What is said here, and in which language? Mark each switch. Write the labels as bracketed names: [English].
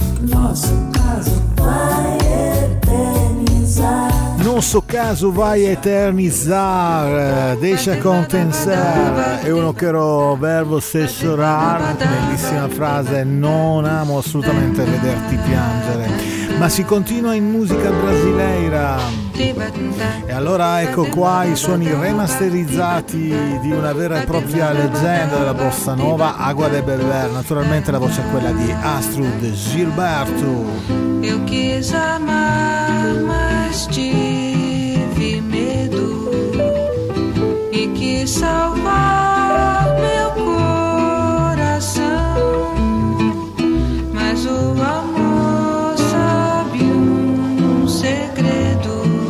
[Portuguese] Nosso caso vai eternizar. Nosso caso vai eternizar. Deixa acontecer. Eu não quero ver você chorar. [Italian] Bellissima frase. Non amo assolutamente vederti piangere. Ma si continua in musica brasileira. E allora ecco qua i suoni remasterizzati di una vera e propria leggenda della bossa nova, Água de Bebel. Naturalmente la voce è quella di Astrud Gilberto. [Portuguese] Eu quis amar, mas tive medo. E quis salvar meu coração. Mas o amor sabe um segredo.